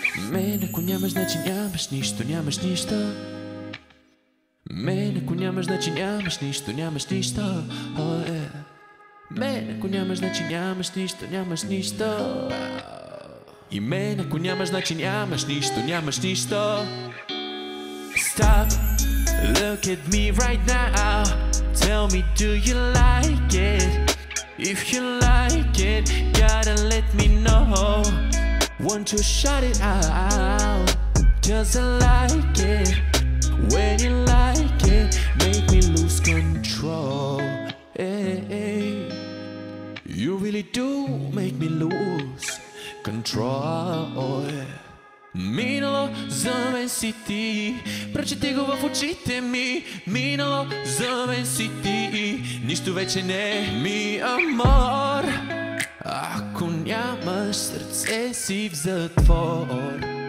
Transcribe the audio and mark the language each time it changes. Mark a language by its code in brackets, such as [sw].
[bg] Мен ако нямаш, значи нямаш нищо, нямаш нищо. Мен ако нямаш, значи нямаш нищо, нямаш нищо. [en] Oh, yeah. [bg] Мен ако нямаш, значи нямаш нищо, нямаш нищо. И мен ако нямаш, значи нямаш нищо, нямаш нищо. [en] Stop, look at me right now. Tell me, do you like it? If you like it, gotta let me know. Want to shut it out? Doesn't like it when you like it. Make me lose control. Hey, you really do make me lose control. [bg] Минало за мен си ти, прочети го в очите ми. Минало за мен си ти, нищо вече не ми амор. Ако нямаш сърце си в затвор.